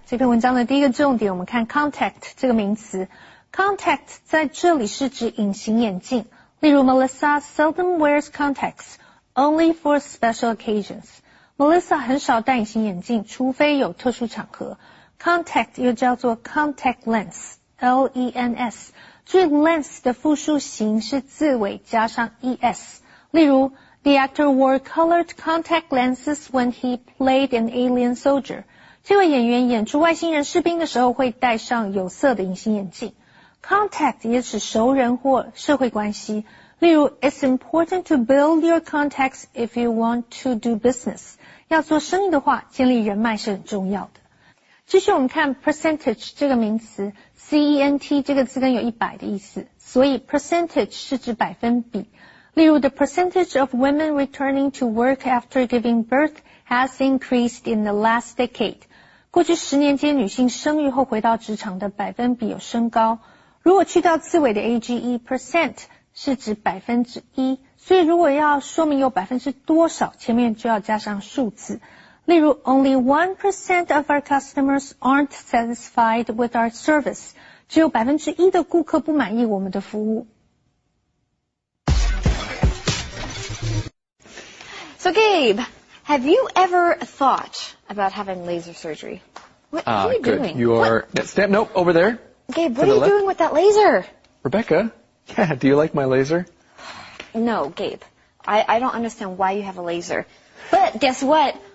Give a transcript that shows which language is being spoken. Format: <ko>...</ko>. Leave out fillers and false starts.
<zh>这篇文章的第一个重点，我们看 contact 这个名词。 Contact 在这里是指隐形眼镜。例如</zh> <en>Melissa seldom wears contacts, only for special occasions.</en> <zh>Melissa 很少戴隐形眼镜，除非有特殊场合。</zh> <en>Contact</en> <zh>又叫做</zh> <en>contact lens, L-E-N-S.</en> <zh>注意 lens 的复数形是字尾加上 E-S. 例如</zh> <en>The actor wore colored contact lenses when he played an alien soldier.</en> <zh>这位演员演出外星人士兵的时候会戴上有色的隐形眼镜。 Contact 也指熟人或社会关系。例如</zh> <en>It's important to build your contacts if you want to do business.</en> <zh>要做生意的话建立人脉是很重要的。继续我们看 percentage 这个名词 C-E-N-T 这个字根有100的意思。所以 percentage 是指百分比。例如</zh> <en>the percentage of women returning to work after giving birth has increased in the last decade.</en> <zh>过去十年间女性生育后回到职场的百分比有升高。如果去掉字尾的 age, percent 是指百分之一。所以如果要说明有百分之多少前面就要加上数字。例如</zh> <en>only 1% of our customers aren't satisfied with our service.</en> <zh>只有百分之一的顾客不满意我们的服务。</zh> <en>So Gabe, have you ever thought about having laser surgery? What are you good. Doing? You are, yeah, stand, nope, over there. Gabe, what are you doing with that laser? Rebecca, yeah, do you like my laser? No, Gabe, I don't understand why you have a laser. But guess what?</en>